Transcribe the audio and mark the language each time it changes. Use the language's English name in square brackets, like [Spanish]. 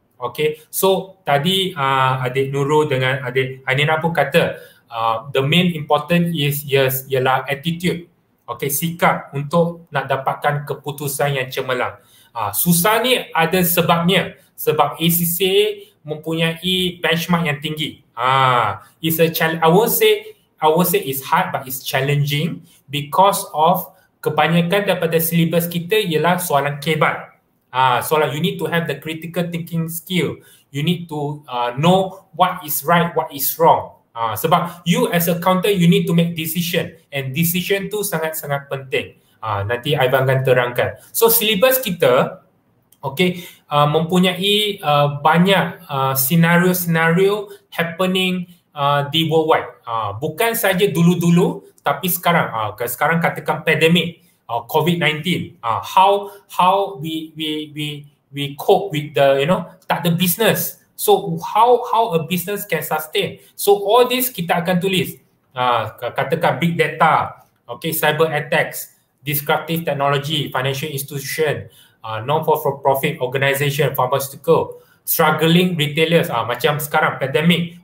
[Malay] Okay, so tadi adik Nurul dengan adik Anina pun kata [English] the main important is [Malay] ialah attitude. Okay, sikap untuk nak dapatkan keputusan yang cemerlang. Susah ni ada sebabnya. Sebab ACCA mempunyai benchmark yang tinggi. [English] It's a challenge. I won't say it's hard, but it's challenging because of [Malay] kebanyakan daripada syllabus kita ialah soalan kebat. Soalan [English] you need to have the critical thinking skill. You need to know what is right, what is wrong. [Malay] Sebab [English] you as a counter, you need to make decision. [Malay] And decision tu sangat-sangat penting. Nanti Ivan akan terangkan. So syllabus kita, okay, mempunyai banyak scenario-scenario [English] happening [Malay] di worldwide. Bukan saja dulu-dulu, tapi sekarang. Sekarang katakan pandemic, COVID-19. [English] How we cope with the, you know, [Malay] tak ada [English] business. So how a business can sustain. So all this [Malay] kita akan tulis. Katakan [English] big data, okay, cyber attacks, disruptive technology, financial institution, non-for-profit organization, pharmaceutical, struggling retailers, [Malay] macam sekarang [English] pandemic.